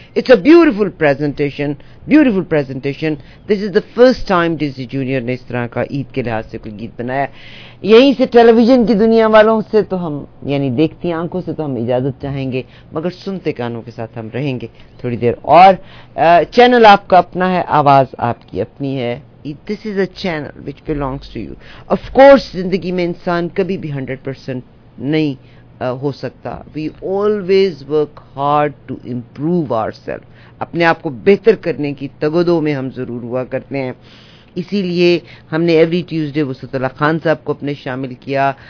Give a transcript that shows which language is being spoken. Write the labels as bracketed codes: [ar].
[en] It's a beautiful presentation, beautiful presentation. This is the first time Disney Junior [ur] نے اس طرح کا عید کے لحاظ سے کوئی گیت بنایا. یہیں سے ٹیلی ویژن کی دنیا والوں سے تو ہم, یعنی دیکھتی آنکھوں سے تو ہم اجازت چاہیں گے, مگر سنتے کانوں کے ساتھ ہم رہیں گے تھوڑی دیر. اور چینل آپ کا اپنا ہے, آواز آپ کی اپنی ہے. [en] This is a channel which belongs to you. Of course, [ur] زندگی میں انسان کبھی بھی 100% نہیں ہو سکتا. [en] We always work hard to improve ourselves. [ur] اپنے آپ کو بہتر کرنے کی تگودوں میں ہم ضرور ہوا کرتے ہیں. اسی لیے ہم نے ایوری ٹیوزڈے وسعت اللہ خان صاحب کو اپنے شامل کیا.